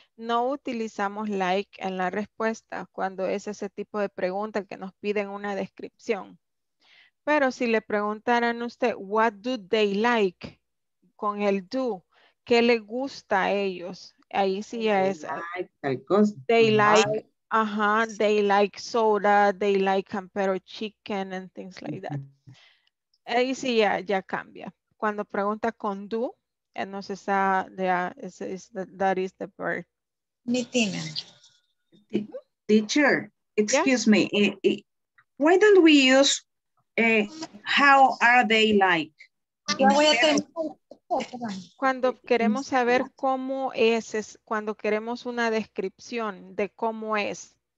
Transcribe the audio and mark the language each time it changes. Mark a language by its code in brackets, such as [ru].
[es] No utilizamos like en la respuesta cuando es ese tipo de pregunta que nos piden una descripción. Pero si le preguntaran a usted, [en] what do they like? [es] Con el do, ¿qué le gusta a ellos? Ahí sí ya es. [en] They like soda, they like campero chicken and things like that. [es] Ahí sí ya cambia. Cuando pregunta con do, no se sabe, [en] that is the verb. Teacher, excuse me. Why don't we use how are they like? [es] Cuando queremos saber cómo es cuando queremos una descripción de cómo es.